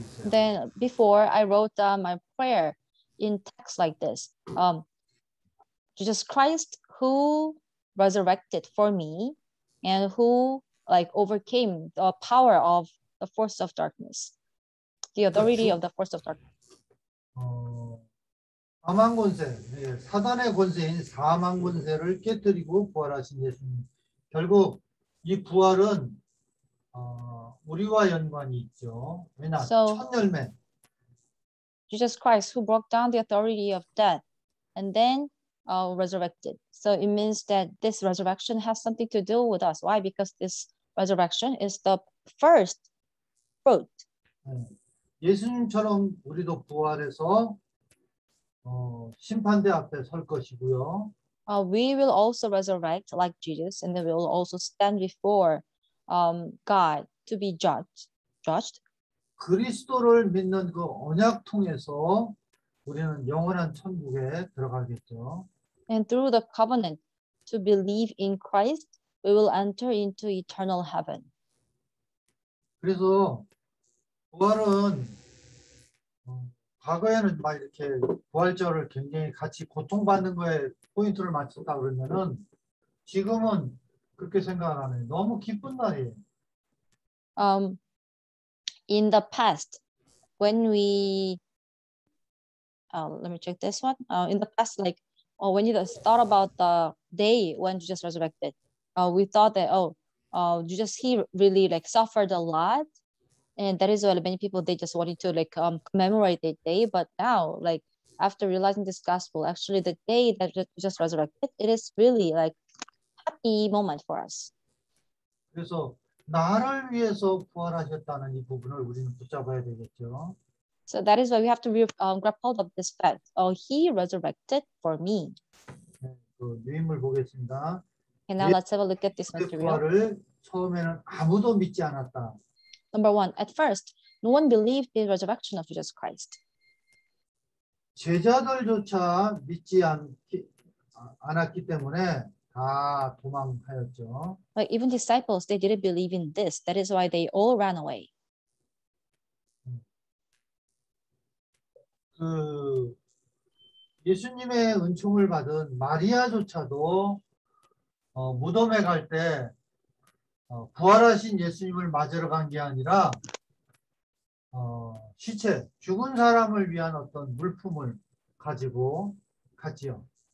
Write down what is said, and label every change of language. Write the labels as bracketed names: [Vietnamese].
[English] Then before I wrote down my prayer in text like this, Jesus Christ who resurrected for me and who like overcame the power of the force of darkness. The authority of the force of darkness. [Korean] 사망 권세, 예, 사단의 권세인 사망 권세를 깨뜨리고 부활하신 예수님. 결국 이 부활은 우리와 연관이 있죠. 왜냐, [English] so, [Korean] 첫 열매. [English] Jesus Christ who broke down the authority of death and then resurrected. So it means that this resurrection has something to do with us. Why? Because this resurrection is the first fruit. [Korean] 예수님처럼 우리도 부활해서 심판대 앞에 설 것이고요. [English] We will also resurrect like Jesus, and then we will also stand before God to be judged. [Korean] 그리스도를 믿는 그 언약 통해서 우리는 영원한 천국에 들어가겠죠. [English] And through the covenant to believe in Christ, we will enter into eternal heaven. [Korean] 그래서 부활은 과거에는 막 이렇게 부활절을 굉장히 같이 고통받는 거에 포인트를 맞췄다 그러면은 지금은 그렇게 생각 안 해. 너무 기쁜 날이에요. [English] In the past, when we let me check this one. In the past, like when you just thought about the day when Jesus resurrected, we thought that Jesus he really like suffered a lot. And that is why many people, they just wanted to like commemorate that day. But now, like after realizing this gospel, actually the day that Jesus resurrected, it is really like happy moment for us. [Korean] 그래서 나를 위해서 부활하셨다는 이 부분을 우리는 붙잡아야 되겠죠. [English] So that is why we have to grab hold of this fact. Oh, he resurrected for me. [Korean] 네, 그 유인물 보겠습니다. [English] And now let's have a look at this material. [Korean] 부활을 처음에는 아무도 믿지 않았다. [English] Number one, at first, no one believed the resurrection of Jesus Christ. [Korean] 제자들조차 믿지 않았기 때문에 다 도망하였죠. [English] But even disciples, they didn't believe in this. That is why they all ran away. [Korean] 그 예수님의 은총을 받은 마리아조차도 무덤에 갈 때 부활하신 예수님을 맞으러 간 게 아니라 시체, 죽은 사람을 위한 어떤 물품을 가지고 갔지요.